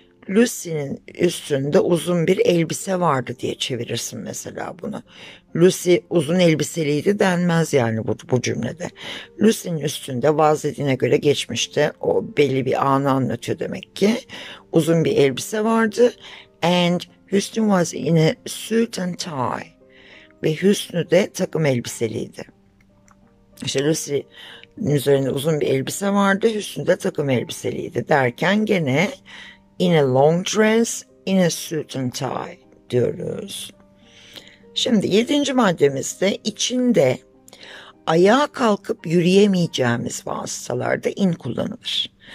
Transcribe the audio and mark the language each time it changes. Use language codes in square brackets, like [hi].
[tr] Lucy'nin üstünde uzun bir elbise vardı diye çevirirsin mesela bunu. Lucy uzun elbiseliydi denmez yani bu cümlede. Lucy'nin üstünde vazgeçtiğine göre geçmişte o belli bir anı anlatıyor demek ki. Uzun bir elbise vardı. [en] And Hüsnü was in a suit and tie. [tr] Ve Hüsnü de takım elbiseliydi. İşte Lucy'nin üzerinde uzun bir elbise vardı. Hüsnü de takım elbiseliydi derken gene... [en] In a long dress, in a suit and tie diyoruz. [tr] Şimdi yedinci maddemizde içinde ayağa kalkıp yürüyemeyeceğimiz vasıtalarda in kullanılır.